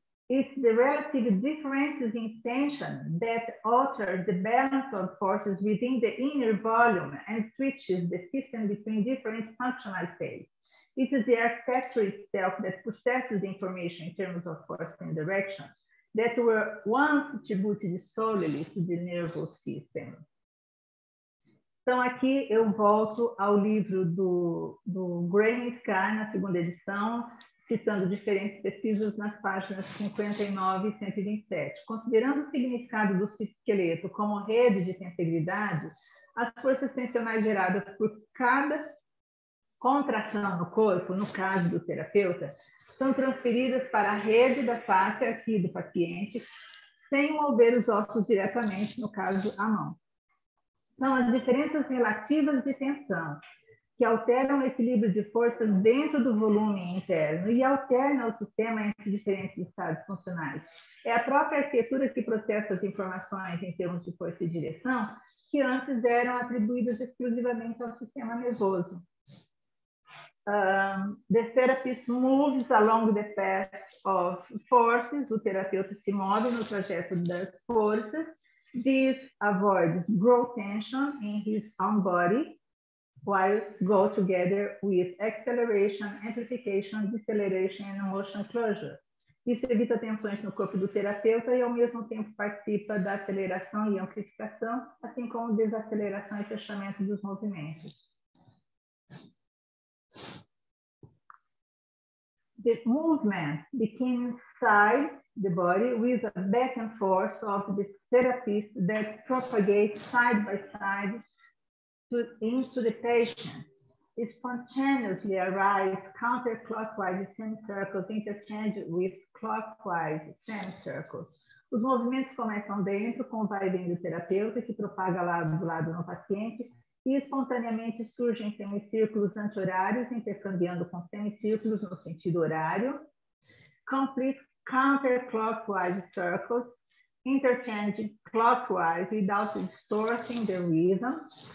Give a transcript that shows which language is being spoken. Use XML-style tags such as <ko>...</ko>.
<en>It's the relative differences in tension that alter the balance of forces within the inner volume and switches the system between different functional states. It is the architecture itself that processes information in terms of force and direction that were once attributed solely to the nervous system.</en> <pt>Então, aqui eu volto ao livro do Graham Scar, na segunda edição, citando diferentes pesquisas nas páginas 59 e 127. Considerando o significado do citoesqueleto como rede de tensegridade, as forças tensionais geradas por cada contração no corpo, no caso do terapeuta, são transferidas para a rede da face aqui do paciente, sem mover os ossos diretamente, no caso, a mão. São as diferenças relativas de tensão que alteram o equilíbrio de forças dentro do volume interno e alternam o sistema entre diferentes estados funcionais. É a própria arquitetura que processa as informações em termos de força e direção que antes eram atribuídas exclusivamente ao sistema nervoso.</pt> <en>The therapist moves along the path of forces.</en> <pt>O terapeuta se move no trajeto das forças.</pt> <en>This avoids grow tension in his own body while go together with acceleration, amplification, deceleration and motion closure.</en> <pt>Isso evita tensões no corpo do terapeuta e ao mesmo tempo participa da aceleração e amplificação, assim como desaceleração e fechamento dos movimentos.</pt> <en>The movement begins inside the body with a back and forth of the therapist that propagates side by side into the patient. It spontaneously arises counterclockwise semicircles interchanged with clockwise semicircles.</en> <pt>Os movimentos começam dentro com o vai e vem do terapeuta que propaga lado do lado no paciente e espontaneamente surgem semicírculos anti-horários intercambiando com semicírculos no sentido horário.</pt> <en>Complete counterclockwise circles, interchanging clockwise without distorting the rhythm.</en>